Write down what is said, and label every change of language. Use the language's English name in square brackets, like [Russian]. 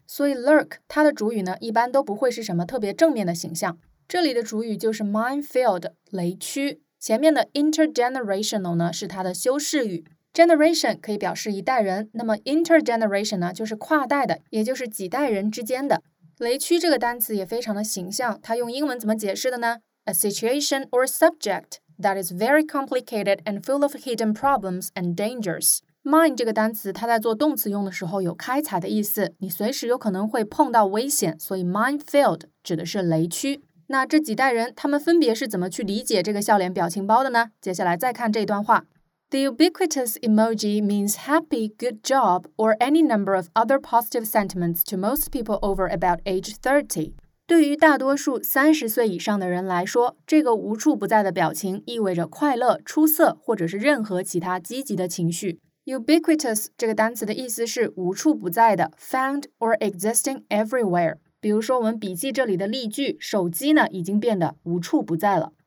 [Chinese] 所以 lurk 它的主语呢一般都不会是什么特别正面的形象，这里的主语就是 minefield 雷区，前面的 intergenerational 呢是它的修饰语。 Generation 可以表示一代人，那么 intergeneration 呢就是跨代的，也就是几代人之间的。雷区这个单词也非常的形象，它用英文怎么解释的呢？ [English] A situation or subject that is very complicated and full of hidden problems and dangers. [Chinese] Mine 这个单词它在做动词用的时候有开采的意思，你随时有可能会碰到危险，所以 minefield 指的是雷区。那这几代人他们分别是怎么去理解这个笑脸表情包的呢？接下来再看这段话。 [English] The ubiquitous emoji means happy, good job, or any number of other positive sentiments to most people over about age 30. [Chinese] 对于大多数30岁以上的人来说，这个无处不在的表情意味着快乐、出色，或者是任何其他积极的情绪。 Ubiquitous 这个单词的意思是无处不在的， [English] found or existing everywhere. [Chinese] 比如说我们笔记这里的例句，手机呢已经变得无处不在了。